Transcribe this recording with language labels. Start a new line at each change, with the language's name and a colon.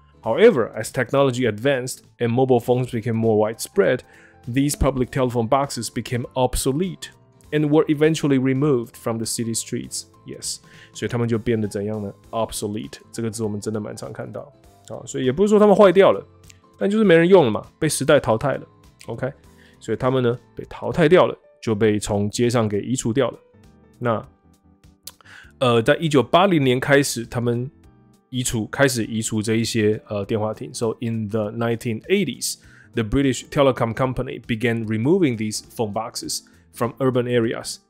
English: However, as technology advanced and mobile phones became more widespread, these public telephone boxes became obsolete and were eventually removed from the city streets。
Chinese: Yes， 所以他们就变得怎样呢？ Obsolete 这个字我们真的蛮常看到，所以也不是说他们坏掉了，但就是没人用了嘛，被时代淘汰了。 OK， 所以他们呢被淘汰掉了，就被从街上给移除掉了。那在1980年开始，他们开始移除这一些电话亭。
English: So in the 1980s, the British Telecom Company began removing these phone boxes from urban areas.